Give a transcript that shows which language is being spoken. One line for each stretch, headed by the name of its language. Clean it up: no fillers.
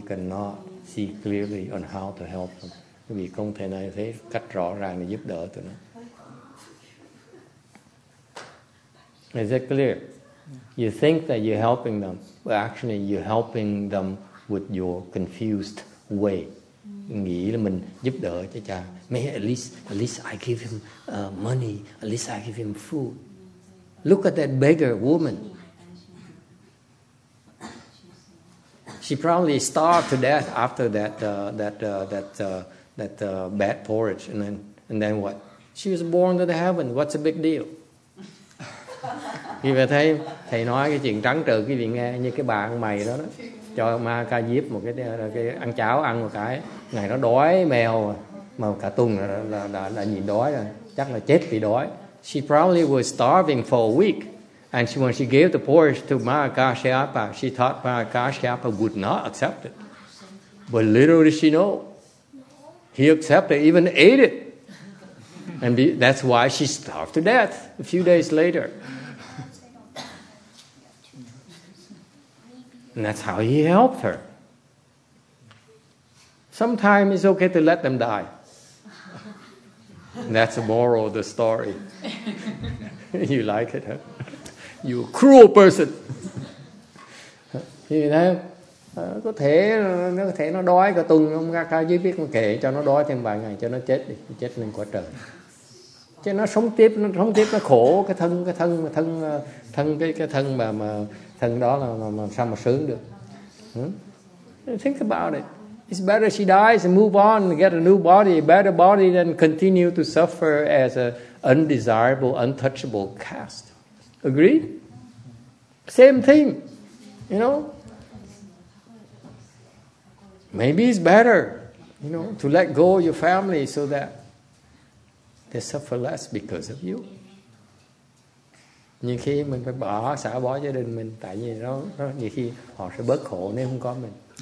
English: You cannot see clearly on how to help them.
Vietnamese: Quý vị không thể nào thấy cách rõ ràng để giúp đỡ tụi nó.
English: Is that clear? You think that you're helping them, but actually you're helping them with your confused way.
Vietnamese: Nghĩ là mình giúp đỡ cho cha.
English: At least I give him money. At least I give him food. Look at that beggar woman. She probably starved to death after that bad porridge. And then what? She was born to the heaven. What's a big deal?
Vietnamese: Vì vậy thầy nói cái chuyện trắng trợn, quý vị nghe như cái bà ăn mày đó cho ma ca diếp một cái ăn cháo, ăn một cái ngày nó đói mèo mà cả tuần là nhịn đói rồi, chắc là chết vì đói.
English: She probably was starving for a week, and when she gave the porridge to Ma Kashyapa, she thought Ma Kashyapa would not accept it, but little did she know he accepted, even ate it, and that's why she starved to death a few days later. And that's how he helped her. Sometimes it's okay to let them die. And that's the moral of the story. You like it, huh? You cruel person.
Vietnamese: You know, có thể nó đói cả tuần, ông ca chỉ biết mà kệ cho nó đói thêm vài ngày cho nó chết đi, chết lên quả trời. Chứ nó sống tiếp, nó khổ cái thân mà thân đó là sao mà sướng được.
English: Think about it. It's better she dies and move on and get a new body, a better body, than continue to suffer as an undesirable, untouchable cast. Agree? Same thing. You know? Maybe it's better, you know, to let go of your family so that they suffer less because of you.
Vietnamese: Nhiều khi mình phải bỏ, xả bỏ gia đình mình, tại vì nó nhiều khi họ sẽ bớt khổ nếu không có mình.